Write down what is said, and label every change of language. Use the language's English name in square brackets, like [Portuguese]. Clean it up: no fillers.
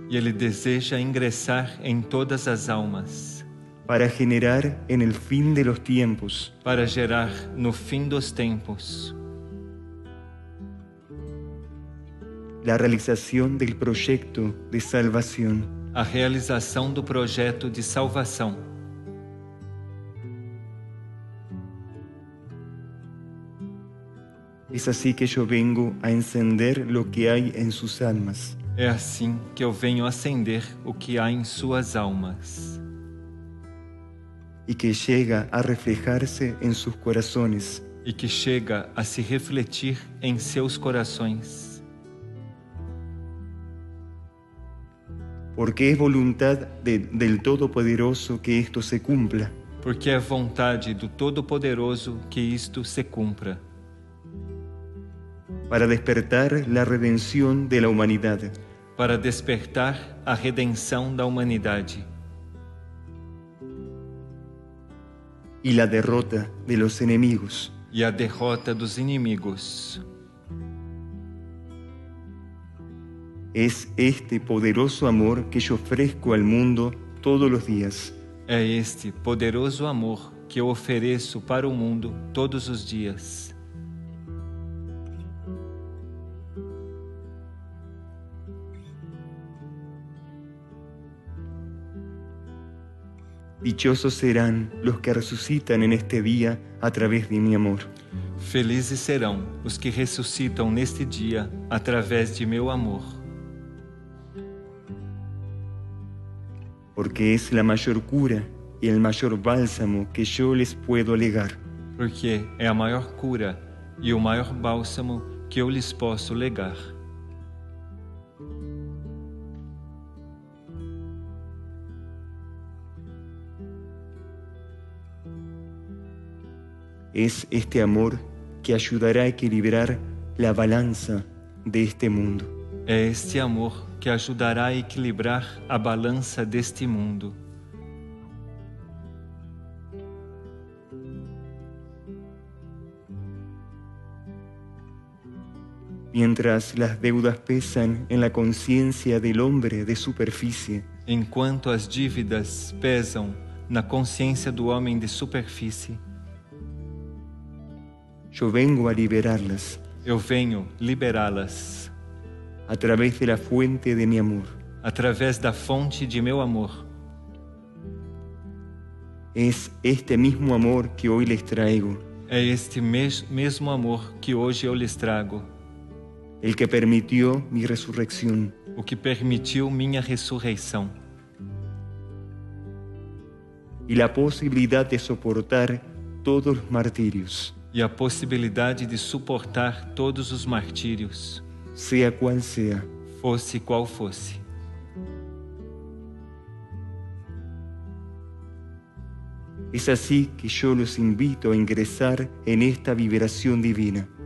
[Portuguese] E ele deseja ingressar em todas as almas. [Spanish] Para generar en el fin de los tiempos. [Portuguese] Para gerar no fim dos tempos. [Spanish] La realización del proyecto de salvación. [Portuguese] A realização do projeto de salvação. [Spanish] Es así que yo vengo a encender lo que hay en sus almas. [Portuguese] É assim que eu venho acender o que há em suas almas. E que chega a [Spanish] reflejarse [Portuguese] em seus corações. E que chega a se refletir em seus corações. Porque é vontade [Spanish] del [Portuguese] Todo-Poderoso que isto se cumpra. Porque é vontade do Todo-Poderoso que isto se cumpra. [Spanish] Para despertar la redención de la humanidad. [Portuguese] Para despertar a redenção da humanidade. [Spanish] Y la derrota de los enemigos. [Portuguese] E a derrota dos inimigos. [Spanish] Es este poderoso amor que yo ofrezco al mundo todos los días. [Portuguese] É este poderoso amor que eu ofereço para o mundo todos os dias. [Spanish] Dichosos serán los que resucitan en este día a través de mi amor. [Portuguese] Felizes serão os que ressuscitam neste dia através de meu amor. [Spanish] Porque es la mayor cura y el mayor bálsamo que yo les puedo legar. [Portuguese] Porque é a maior cura e o maior bálsamo que eu lhes posso legar. [Spanish] Es este amor que ayudará a equilibrar la balanza de este mundo. [Portuguese] É este amor que ajudará a equilibrar a balança deste mundo. [Spanish] Mientras las deudas pesan en la conciencia del hombre de superficie. [Portuguese] Enquanto as dívidas pesam na consciência do homem de superfície. [Spanish] Yo vengo a liberarlas. [Portuguese] Eu venho liberá-las. [Spanish] A través de la fuente de mi amor. [Portuguese] Através da fonte de meu amor. [Spanish] Es este mismo amor que hoy les traigo. [Portuguese] É este mesmo amor que hoje eu lhes trago. [Spanish] El que permitió mi resurrección. [Portuguese] O que permitiu minha ressurreição. [Spanish] Y la posibilidad de soportar todos los martirios. [Portuguese] E a possibilidade de suportar todos os martírios, seja qual seja, fosse qual fosse. É assim que eu os invito a ingressar em esta vibração divina.